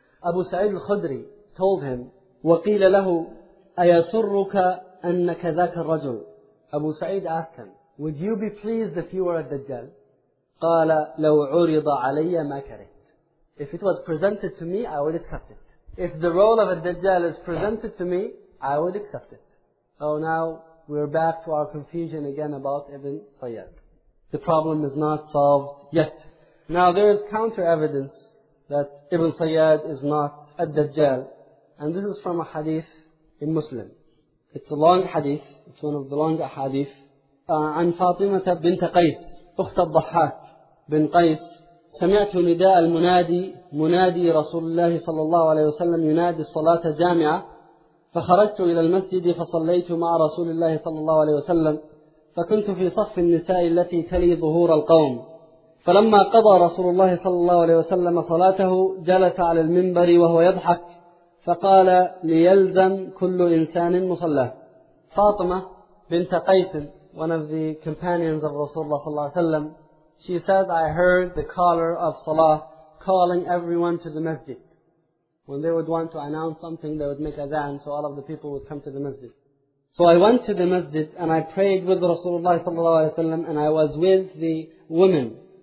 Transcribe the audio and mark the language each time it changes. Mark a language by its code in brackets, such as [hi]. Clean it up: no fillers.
[en] Abu Sa'id al-Khudri told him, [ar] وَقِيلَ لَهُ أَيَسُرُّكَ أَنَّكَ ذَاكَ الرَّجُلُ. [en] Abu Sa'id asked him, would you be pleased if you were a Dajjal? [ar] قَالَ لَوْ عُرِضَ عَلَيَّ مَا كَرِهْ. [en] If it was presented to me, I would accept it. If the role of a Dajjal is presented to me, I would accept it. So now, we're back to our confusion again about Ibn Sayyad. The problem is not solved yet. Now, there is counter evidence that Ibn Sayyad is not a Dajjal. And this is from a hadith in Muslim. It's a long hadith. It's one of the long hadith. [ar] عن فاطمة بنت قيس أخت الضحاك بن قيس سمعت نداء المنادي منادي رسول الله صلى الله عليه وسلم ينادي الصلاة جامعة فخرجت إلى المسجد فصليت مع رسول الله صلى الله عليه وسلم فكنت في صف النساء التي تلي ظهور القوم فلما قضى رسول الله صلى الله عليه وسلم صلاته جلس على المنبر وهو يضحك فقال ليلزم كل إنسان مصلاه. [en] فاطمة بنت قيس, one of the companions of Rasulullah صلى الله عليه وسلم, she said, I heard the caller of Salah calling everyone to the masjid. When they would want to announce something, they would make adhan, so all of the people would come to the masjid. So I went to the masjid and I prayed with Rasulullah sallallahu alayhi wa sallam, and I was with the woman.